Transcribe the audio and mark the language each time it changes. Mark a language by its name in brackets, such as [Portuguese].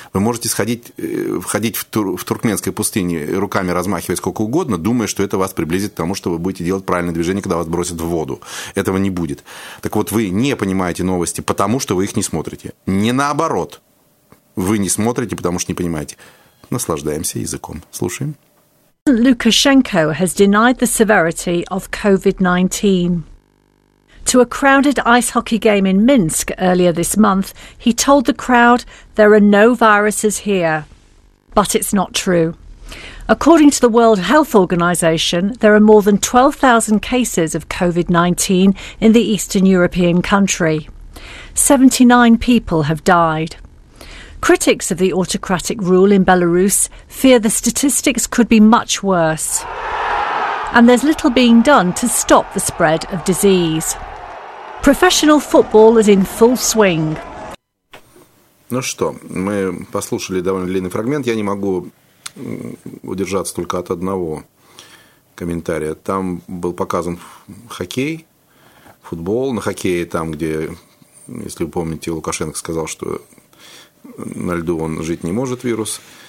[Russian] Вы можете входить в туркменской пустыне, руками размахивать сколько угодно, думая, что это вас приблизит к тому, что вы будете делать правильное движение, когда вас бросят в воду. Этого не будет. Так вот, вы не понимаете новости, потому что вы их не смотрите. Не наоборот. Вы не смотрите, потому что не понимаете. Наслаждаемся языком. Слушаем. [English] President Lukashenko has denied the severity of COVID-19. To a crowded ice hockey game in Minsk earlier this month, he told the crowd, "There are no viruses here." But it's not true. According to the World Health Organization, there are more than 12,000 cases of COVID-19 in the Eastern European country. 79 people have died. Critics of the autocratic rule in Belarus fear the statistics could be much worse. And there's little being done to stop the spread of disease. Professional football is in full swing. [Russian] Ну что, мы послушали довольно длинный фрагмент. Я не могу удержаться только от одного комментария. Там был показан хоккей, футбол, на хоккей, там, где, если вы помните, Лукашенко сказал, что на льду он жить не может, вирус.